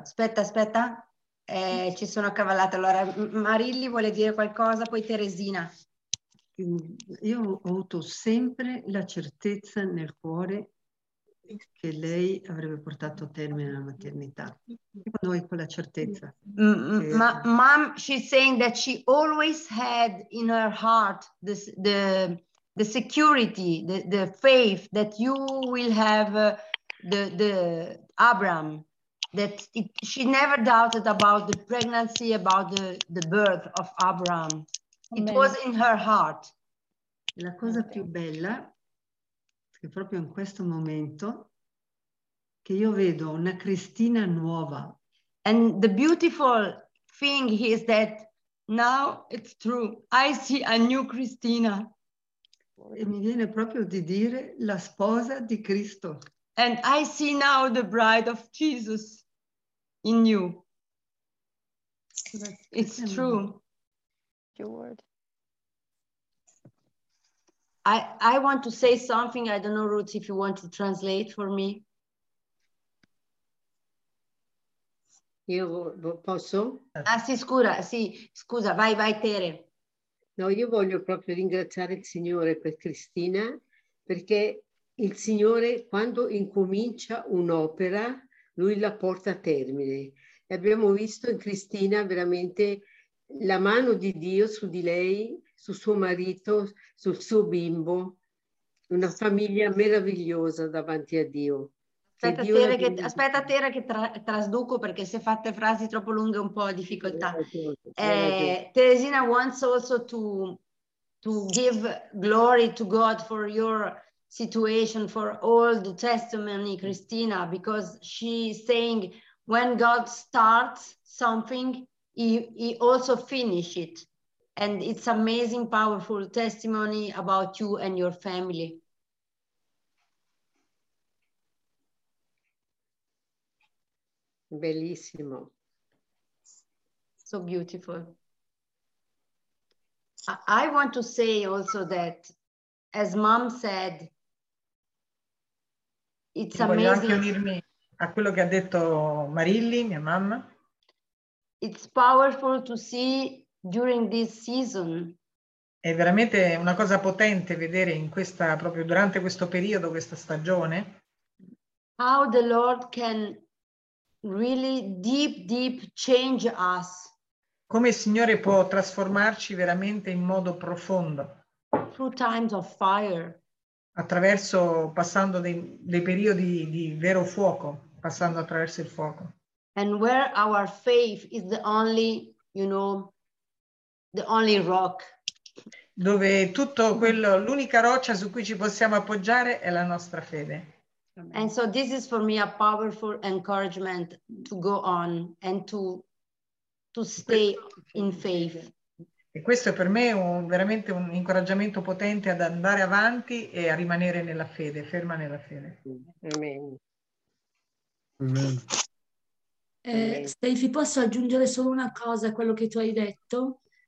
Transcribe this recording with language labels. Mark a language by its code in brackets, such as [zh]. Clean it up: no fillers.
[it] Aspetta. Ci sono accavallate. Allora, Marilli vuole dire qualcosa, poi Teresina. Io ho avuto sempre la certezza nel cuore che lei avrebbe portato a termine la maternità. Quando hai quella certezza? [en] Mom, she's saying that she always had in her heart the security, the faith that you will have the Abraham. That she never doubted about the pregnancy, about the birth of Abraham. It was in her heart. [it] La cosa più bella è che proprio in questo momento che io vedo una Cristina nuova. [en] And the beautiful thing is that now it's true. I see a new Cristina. [it] E mi viene proprio di dire la sposa di Cristo. [en] And I see now the bride of Jesus in you. It's true. Your word. I want to say something. I don't know, Ruth, if you want to translate for me. [it] Io posso? Ah sì, scusa, vai Tere. No, io voglio proprio ringraziare il Signore per Cristina, perché il Signore quando incomincia un'opera, Lui la porta a termine. E abbiamo visto in Cristina veramente la mano di Dio su di lei, su suo marito, sul suo bimbo, una famiglia meravigliosa davanti a Dio. Aspetta Tere che trasduco, perché se fate frasi troppo lunghe un po' difficoltà. [en] Teresina wants also to give glory to God for your situation, for all the testimony, Cristina, because she's saying when God starts something, he also finish it. And it's amazing, powerful testimony about you and your family. [it] Bellissimo. [en] So beautiful. I want to say also that, as mom said, it's [it] voglio [en] amazing. [it] Voglio anche unirmi a quello che ha detto Marilli, mia mamma. [en] It's powerful to see during this season. [it] È veramente una cosa potente vedere in questa, proprio durante questo periodo, questa stagione. [en] how the Lord can really deep change us. [it] Come il Signore può trasformarci veramente in modo profondo. [en] Through times of fire. [it] Attraverso, passando dei periodi di vero fuoco, passando attraverso il fuoco. [en] And where our faith is the only, you know, the only rock. [it] Dove tutto quello, l'unica roccia su cui ci possiamo appoggiare è la nostra fede. [en] And so this is for me a powerful encouragement to go on and to stay in faith. [it] E questo per me è veramente un incoraggiamento potente ad andare avanti e a rimanere nella fede, ferma nella fede. Amen. Steffi, posso aggiungere solo una cosa a quello che tu hai detto?